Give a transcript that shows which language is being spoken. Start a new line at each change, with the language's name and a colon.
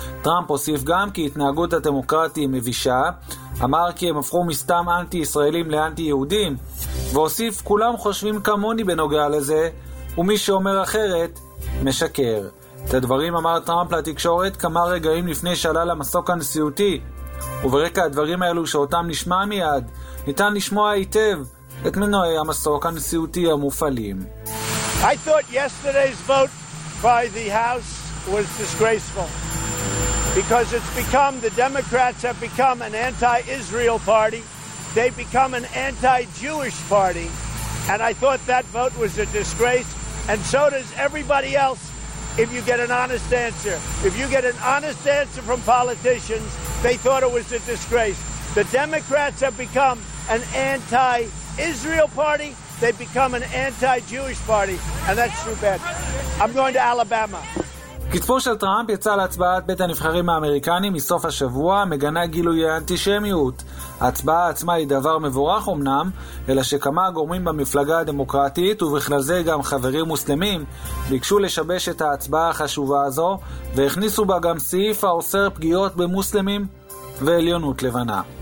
Hebrew: טראמפ הוסיף גם כי התנהגות הדמוקרטית מבישה, אמר כי הם הפכו מסתם אנטי-ישראלים לאנטי-יהודים, והוסיף כולם חושבים כמוני בנוגע לזה, ומי שאומר אחרת, משקר. את הדברים אמר טראמפ לתקשורת כמה רגעים לפני שעלה למסוק הנשיאותי, וברקע הדברים האלו שאותם נשמע מיד, ניתן לשמוע היטב את מנועי המסוק הנשיאותי המופעלים.
English: I thought yesterday's vote by the House was disgraceful because it's become, the Democrats have become an anti-Israel party, they become an anti-Jewish party, and I thought that vote was a disgrace, and so does everybody else. If you get an honest answer, if you get an honest answer from politicians, they thought it was a disgrace. The Democrats have become an anti-Israel party, they've become an anti-Jewish party, and that's too bad. I'm going to Alabama.
Hebrew: כתפו של טראמפ יצא להצבעת בית הנבחרים האמריקני מסוף השבוע, מגנה גילוי האנטישמיות. ההצבעה עצמה היא דבר מבורך אמנם, אלא שכמה גורמים במפלגה הדמוקרטית, ובכלל זה גם חברים מוסלמים, ביקשו לשבש את ההצבעה החשובה הזו, והכניסו בה גם סעיף האוסר פגיעות במוסלמים ועליונות לבנה.